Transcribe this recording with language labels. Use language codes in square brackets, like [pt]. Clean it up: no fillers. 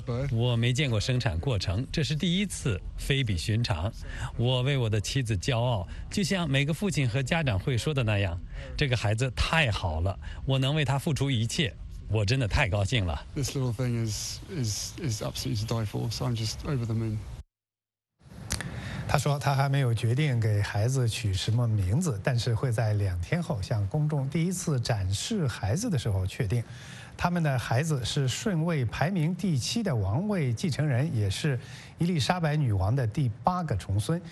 [zh] 我没见过生产过程，这是第一次，非比寻常。我为我的妻子骄傲，就像每个父亲和家长会说的那样，这个孩子太好了，我能为他付出一切，我真的太高兴了。 [en] This little thing is absolutely to die for, so I'm just over the moon. [zh] 他说他还没有决定给孩子取什么名字，但是会在2天后向公众第一次展示孩子的时候确定。他们的孩子是顺位排名第7的王位继承人，也是伊丽莎白女王的第8个重孙。